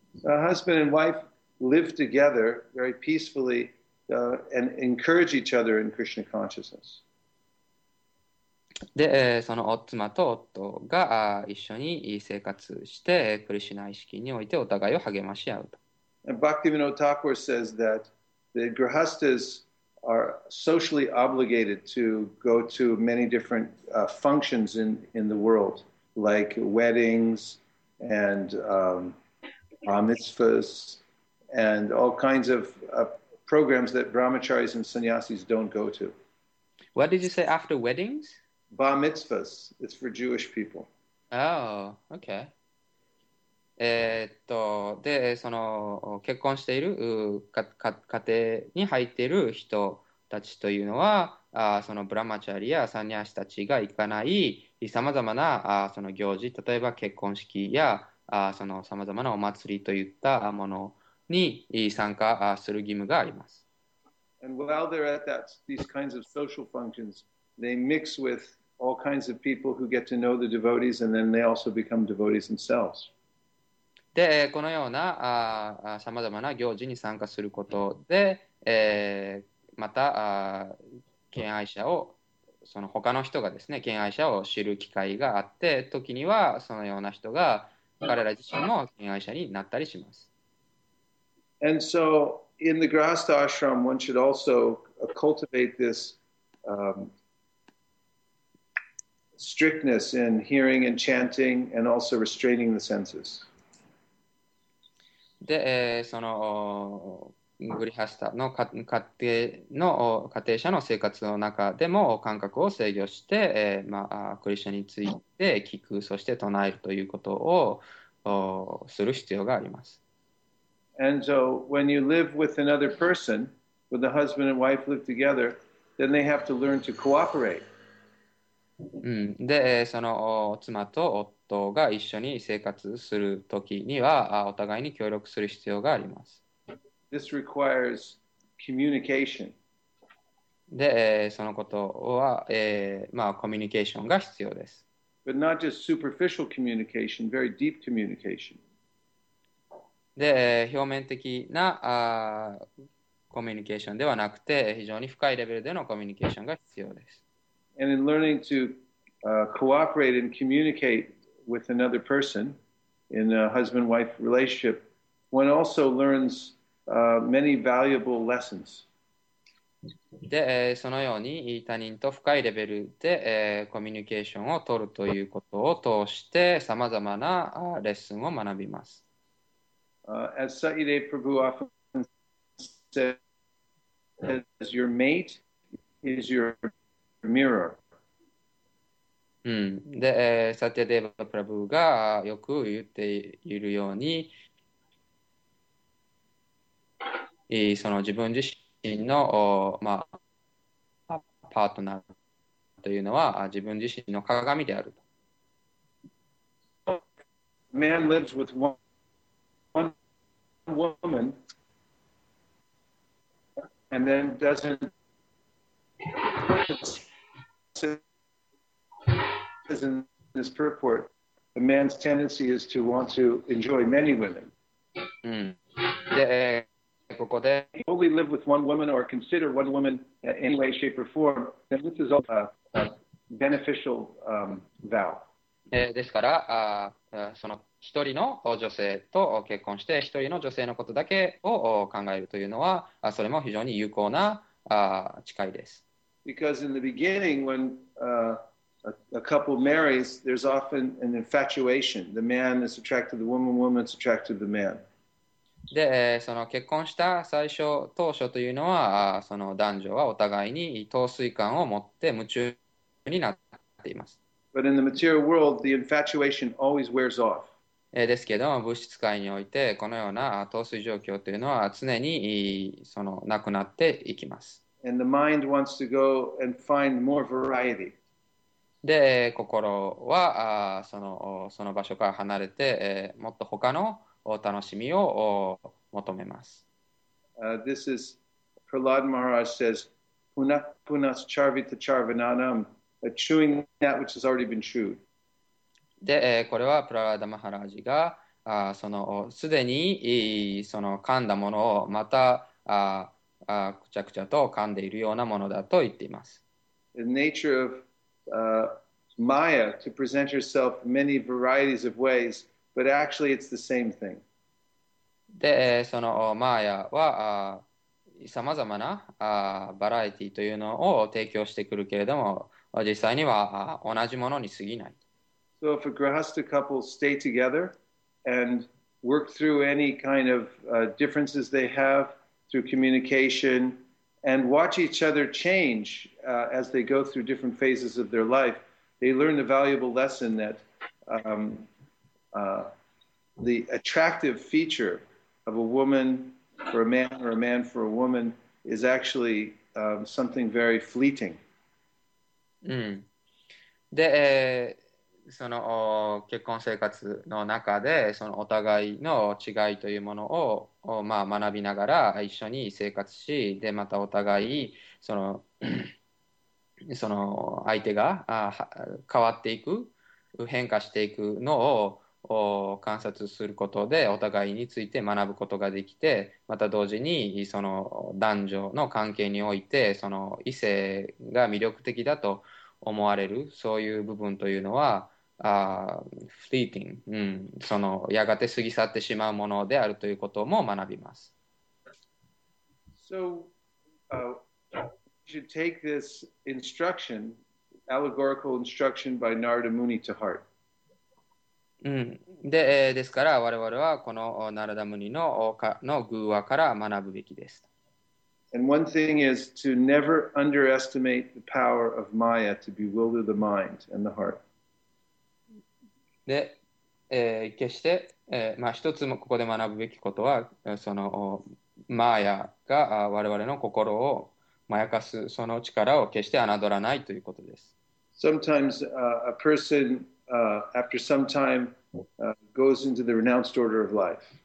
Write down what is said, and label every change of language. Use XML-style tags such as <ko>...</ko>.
<en>A husband and wife live together very peacefully, and encourage each other in Krishna consciousness.</en> <ja>で、その、妻と夫が一緒に生活して、クリシュナ意識においてお互いを励まし合うと。</ja> <en>And Bhaktivinoda Thakur says that the grihasthas are socially obligated to go to many different functions in the world, like weddings and bar mitzvahs and all kinds of programs that brahmacharis and sannyasis don't go to. What did you say after weddings? Bar mitzvahs, it's for Jewish people. Oh, okay.</en> <ja>で、その、結婚している、家庭に入っている人たちというのは、そのブラマチャリやサンニャシたちが行かないさまざまな、その行事、例えば結婚式や、そのさまざまなお祭りといったものに参加する義務があります。</ja> <en>And while they're at these kinds of social functions, they mix with all kinds of people who get to know the devotees, and then they also become devotees themselves.</en> <ja>で、このような、さまざまな行事に参加することで、また、敬愛者を、その他の人がですね、敬愛者を知る機会があって、時にはそのような人が彼ら自身も敬愛者になったりします。</ja> <en>And so in the Grihastha ashram, one should also cultivate this strictness in hearing and chanting and also restraining the senses.</en> <ja>で、その、グリハスタの家庭者の生活の中でも感覚を制御して、クリシュナについて聞く、そして唱えるということをする必要があります。</ja> <en>And so, when you live with another person, when the husband and wife live together, then they have to learn to cooperate.</en> <ja>で、その妻と夫が一緒に生活するときには、お互いに協力する必要があります。</ja> <en>This requires communication.</en> <ja>で、そのことは、コミュニケーションが必要です。</ja> <en>But not just superficial communication, very deep communication.</en> <ja>で、表面的なコミュニケーションではなくて、非常に深いレベルでのコミュニケーションが必要です。</ja> <en>And in learning to cooperate and communicate with another person in a husband-wife relationship, one also learns many valuable lessons.</en> <ja>で、そのように他人と深いレベルでコミュニケーションを取るということを通してさまざまなレッスンを学びます。</ja> <en>As Satyadev Prabhu often says, your mate is your mirror.</en> <ja>で、サティデーバ・プラブーがよく言っているように、その自分自身の、パートナーというのは自分自身の鏡であると。</ja> <en>Man lives with one woman and then doesn't in this purport, a man's tendency is to want to enjoy many women.</en> <ja>で、ここで。</ja> <en>If you only live with one woman or consider one woman in any way, shape, or form, then this is all a beneficial vow.</en> <ja>ですから、その一人の女性と結婚して一人の女性のことだけを考えるというのは、それも非常に有効な誓いです。</ja> <en>Because in the beginning, when a couple marries, there's often an infatuation. The man is attracted to the woman, woman's attracted to the man.</en> <ja>で、その結婚した当初というのは、その男女はお互いに陶酔感を持って夢中になっています。</ja> <en>But in the material world, the infatuation always wears off.</en> <ja>ですけども、物質界において、このような陶酔状況というのは常にそのなくなっていきます。</ja> <en>And the mind wants to go and find more variety.</en> <ja>で、心はその場所から離れて、もっと他のお楽しみを求めます。</ja> <en>This is Prahlad Maharaj says,</en> <sa>Punah punas charvita charvananam,</sa> <en>a chewing that which has already been chewed.</en> <ja>で、これはプラダマハラージが、その、すでに、その、噛んだものを、また、くちゃくちゃと噛んでいるようなものだと言っています。</ja> <en>The nature of Maya to present yourself many varieties of ways, but actually it's the same thing.</en> <ja>で、その、マーヤは、さまざまな、バラエティというのを提供してくるけれども、実際には、同じものに過ぎない。</ja> <en>So if a grihastha couple stay together and work through any kind of differences they have through communication, and watch each other change as they go through different phases of their life, they learn the valuable lesson that the attractive feature of a woman for a man or a man for a woman is actually something very fleeting.</en> <ja>で、その結婚生活の中で、そのお互いの違いというものを、学びながら一緒に生活し、で、またお互い、その相手が変わっていく、変化していくのを観察することで、お互いについて学ぶことができて、また同時に、その男女の関係において、その異性が魅力的だと思われる、そういう部分というのは、フリーティング、そのやがて過ぎ去ってしまうものであるということも学びます。</ja> <en>So, you should take this instruction, allegorical instruction by Narada Muni to heart.</en> <ja>ですから我々はこのナラダムニの偶話から学ぶべきです。</ja> <en>And one thing is to never underestimate the power of Maya to bewilder the mind and the heart.</en> <ja>で、決して、まあ、一つもここで学ぶべきことは、そのマーヤが我々の心をまやかす、その力を決して侮らないということです。</ja> <en>Sometimes a person, after some time, goes into the renounced order of life.</en>